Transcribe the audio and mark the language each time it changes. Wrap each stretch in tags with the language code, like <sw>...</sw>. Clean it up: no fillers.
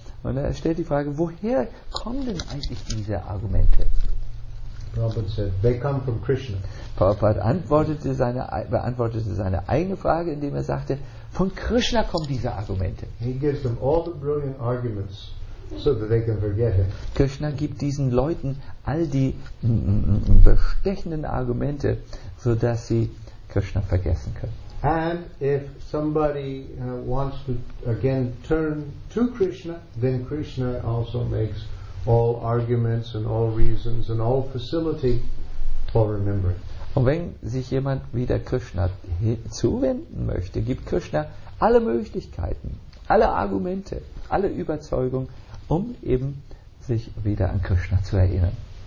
<de>Und er stellt die Frage, woher kommen denn eigentlich diese Argumente?</de> <en>Prabhupada said, they come from Krishna.</en> <de>Prabhupada beantwortete seine eigene Frage, indem er sagte, von Krishna kommen diese Argumente.</de> <en>He gives them all the brilliant arguments so that they can forget him.</en> <de>Krishna gibt diesen Leuten all die bestechenden Argumente, so dass sie Krishna vergessen können.</de> <en>And if somebody wants to again turn to Krishna, then Krishna also makes all arguments and all reasons and all facility for remembering.</en> <de>Und wenn sich jemand wieder Krishna zuwenden möchte, gibt Krishna alle Möglichkeiten, alle Argumente, alle Überzeugung, um eben sich wieder an Krishna zu erinnern.</de>